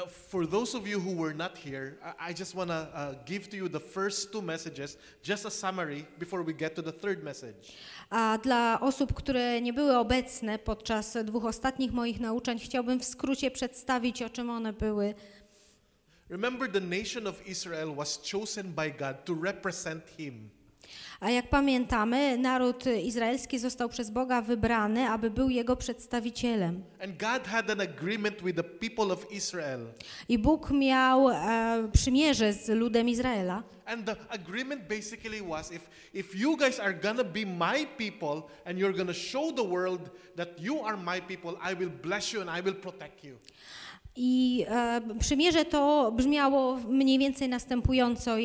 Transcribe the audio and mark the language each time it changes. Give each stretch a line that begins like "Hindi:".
English: For those of you who were not here, I just want to give to you the first two messages, just a summary before we get to the third message.
Polish: A dla osób, które nie były obecne podczas dwóch ostatnich moich nauczeń, chciałbym w skrócie przedstawić, o czym one były.
English: Remember, the nation of Israel was chosen by God to represent him.
Polish: A jak pamiętamy, naród izraelski został przez Boga wybrany, aby był jego przedstawicielem.
English: And God had an agreement with the people of Israel.
Polish: I Bóg miał przymierze z ludem Izraela.
English: And the agreement basically was, if you guys are gonna be my people and you're gonna show the world that you are my people, I will bless you and I will protect you.
Polish: I przymierze to brzmiało mniej więcej następująco.